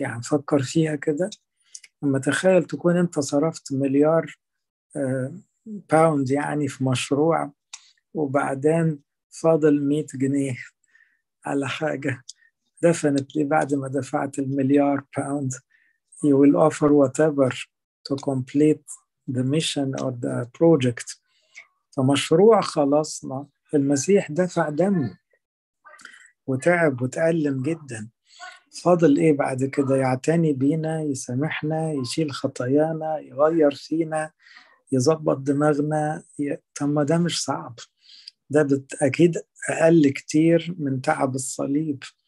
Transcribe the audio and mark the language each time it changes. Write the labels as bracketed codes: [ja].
[ar] يعني فكر فيها كده، لما تخيل تكون أنت صرفت مليار باوند يعني في مشروع، وبعدين فاضل 100 جنيه على حاجة دفنت لي بعد ما دفعت المليار باوند. [en] You will offer whatever to complete the mission or the project. [ar] فمشروع خلصنا، المسيح دفع دم وتعب وتألم جدا، فاضل إيه بعد كده؟ يعتني بينا، يسامحنا، يشيل خطايانا، يغير فينا، يظبط دماغنا. طب ده مش صعب، ده بالتأكيد أقل كتير من تعب الصليب.